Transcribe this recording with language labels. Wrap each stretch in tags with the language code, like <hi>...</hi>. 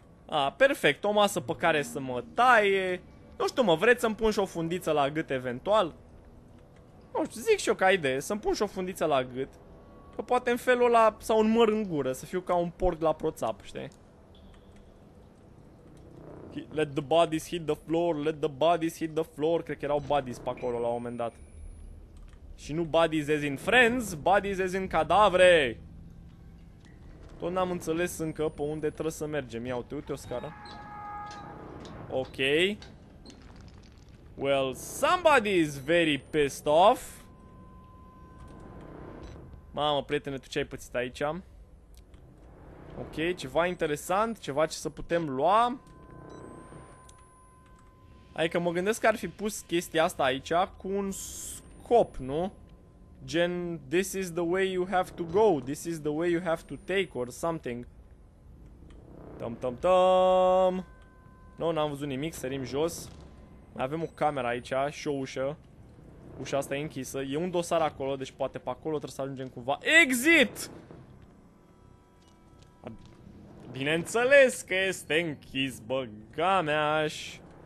<ro>A, perfect, o masă pe care să mă taie. Nu știu, mă, vreți să-mi pun și o fundiță la gât eventual? Nu știu, zic și eu ca idee, să-mi pun și o fundiță la gât. Că poate în felul ăla, sau un măr în gură, să fiu ca un porc la proțap, știi?</ro> <en>Let the bodies hit the floor, let the bodies hit the floor.</en> <ro>Cred că erau bodies pe acolo la un moment dat. Și nu</ro> <en>bodies as in friends, bodies as in</en> <ro>cadavre. Tot n-am înțeles încă pe unde trebuie să mergem. Ia uite, uite o scară. Ok.</ro> <en>Well, somebody is very pissed off.</en> <ro>Mamă, prietene, tu ce ai pățit aici? Ok, ceva interesant, ceva ce să putem lua. Adică mă gândesc că ar fi pus chestia asta aici cu un scop, nu?</ro> <en>Gen, this is the way you have to go, this is the way you have to take or something. Tam tam tam.</en> <ro>No, n-am văzut nimic, sărim jos. Mai avem o cameră aici și o ușă. Ușa asta e închisă, e un dosar acolo, deci poate pe acolo trebuie să ajungem cumva. Exit! Bineînțeles că este închis, băga mea-aș.</ro>